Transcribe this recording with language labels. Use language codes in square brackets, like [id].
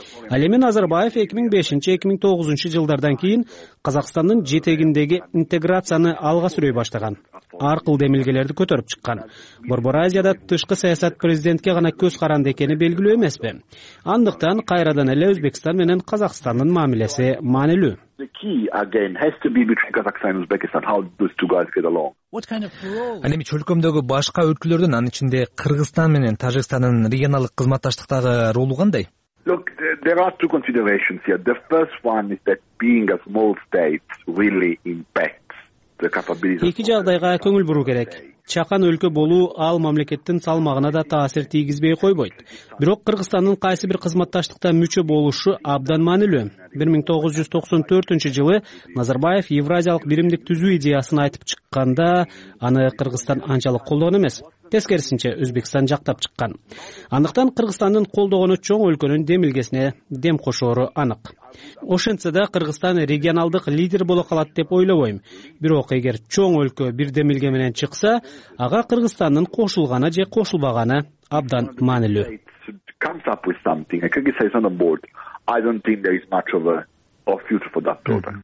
[ky] Алеми Назарбаев 2005-2009 жылдардан кийин Казакстандын жетегиндеги интеграцияны алга сүрөй баштаган. Аркыл демилгелерди көтөрүп чыккан. Борбор Азияда тышкы саясат президентке гана көз каранды экени белгилүү эмеспи? Андыктан кайрадан эле Өзбекстан менен Казакстандын мамилеси маанилүү. [en] The key again has to be between Kazakhstan and Uzbekistan. How those two guys get along? What kind of parole? [ky] Алеми чөлкөмдөгү башка өлкөлөрдүн, анын ичинде Кыргызстан менен Тажикстандын регионалдык кызматташтыктагы ролу кандай? [en] Look, there are two considerations here. The first one is that being a small state really impacts the capabilities. [ky] Эки жагдайга көңүл буруу керек. Чакан өлкө болуу ал мамлекеттин салмагына да таасир тийгизбей койбойт. Бирок Кыргызстандын кайсы бир кызматташтыкта мүчө болушу абдан маанилүү. 1994 жылы Назарбаев Евразиялык биримдик түзүү идеясын айтып чыкканда аны Кыргызстан анчалык колдогон эмес. Тескерисинче Өзбекстан жактап чыккан. Андыктан Кыргызстандын колдогону чоң өлкөнүн демилгесине дем кошоору анык. Ошентсе да Кыргызстан регионалдык лидер боло калат деп ойлобойм. Бирок эгер чоң өлкө бир демилге менен чыкса, ага Кыргызстандын кошулганы же кошулбаганы абдан маанилүү. [en] Comes up with something. Kyrgyzstan is on the board. I don't think there is much of a future for that program.